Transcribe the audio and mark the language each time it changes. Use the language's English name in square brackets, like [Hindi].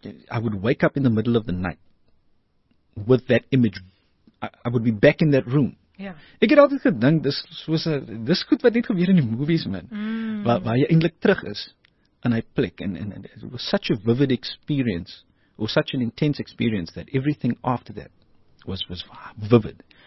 [English] I would wake up in the middle of the night with that image. I would be back in that room. [Afrikaans] Ja. Ek het altyd gedink dis soos 'n dis goed wat net gebeur in die movies, man. Waar jy eintlik terug is in hy plek, [English] and it was such a vivid experience, or such an intense experience, that everything after that was vivid.